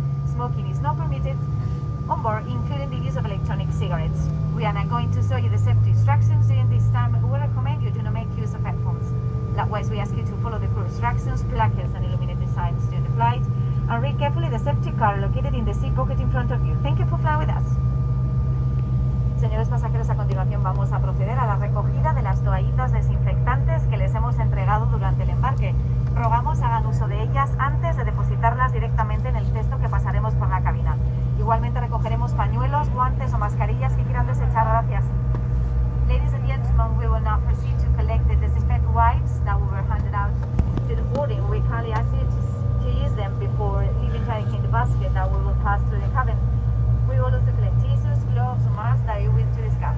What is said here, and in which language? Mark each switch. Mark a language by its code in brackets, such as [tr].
[en] Smoking is not permitted on board, including the use of electronic cigarettes. We are not going to show you the safety instructions during this time. We recommend you to not make use of headphones. Likewise, we ask you to follow the crew instructions, placards and illuminated signs during the flight and read carefully the safety card located in the seat pocket in front of you. Thank you for flying with us. [es] Señores pasajeros, a continuación vamos a proceder a la recogida de las toallitas desinfectantes que les hemos entregado durante el embarque. Rogamos hagan uso de ellas antes de depositarlas directamente en el cesto que pasaremos por la cabina. Igualmente recogeremos pañuelos, guantes o mascarillas que quieran desechar. Gracias. [en] Ladies and gentlemen, we will now proceed to collect the disinfect wipes that we were handed out to the boarding. We kindly ask you to use them before leaving them in the basket that we will pass through the cabin. We will also collect tissues, gloves or masks that you wish to discard.